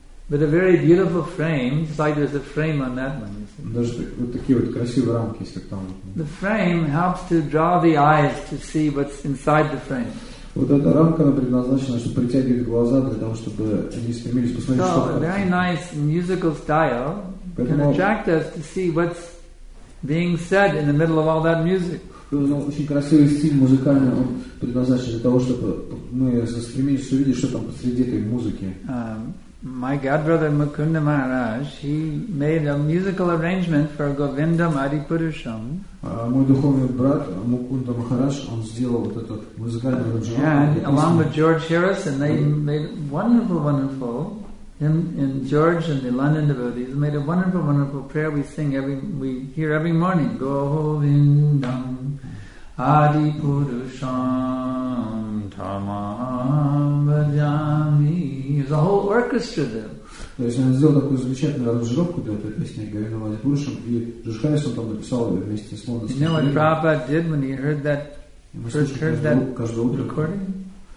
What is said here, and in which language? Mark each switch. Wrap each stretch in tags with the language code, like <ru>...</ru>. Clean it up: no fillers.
<en>But a very beautiful frame, it's like there's a frame on that one. The frame helps to draw the eyes to see what's inside the frame.</en> <ru>Вот эта рамка, она предназначена, чтобы притягивать глаза для того, чтобы они стремились посмотреть,</ru> <en>so,</en> <ru>что в картине.</ru> <en>Very nice musical style can attract us to see what's being said in the middle of all that music.</en> <ru>Очень красивый стиль музыкальный, он предназначен для того, чтобы мы стремились увидеть, что там посреди этой музыки.</ru> <en>My godbrother Mukunda Maharaj, he made a musical arrangement for Govinda Madhipurusham.</en> <ru>Мой духовный брат Мукунда Махарадж, он сделал вот этот музыкальный аранжировку.</ru> <en>And along with George Harrison, they made wonderful, wonderful. And George and the London devotees made a wonderful, wonderful prayer we hear every morning. Govinda Adipurusham Tamam Vajami. There's a whole orchestra there.</en> <ru>То есть он сделал такую замечательную аранжировку для этой песни Говинда Мадхипурушам, и Джордж Харрисон там написал ее вместе с Лондоном.</ru> <en>You know what Prabhupada did when he heard that, first heard that recording?</en>